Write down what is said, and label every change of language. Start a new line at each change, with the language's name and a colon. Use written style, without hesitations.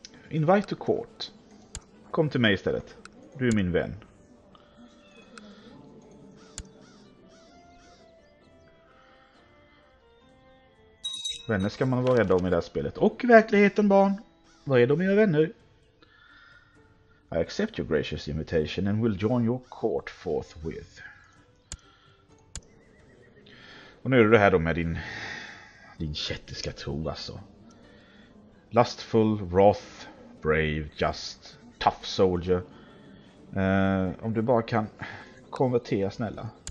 English: Invite to court.
Swedish: Kom till mig istället. Du är min vän. Vänner ska man vara rädd om i det här spelet. Och verkligheten, barn. Vad är de mina vänner?
English: I accept your gracious invitation and will join your court forthwith.
Swedish: Och nu är det här då med din kättiska tro, alltså.
English: Lustful, wrath, brave, just, tough soldier.
Swedish: Om du bara kan konvertera, snälla.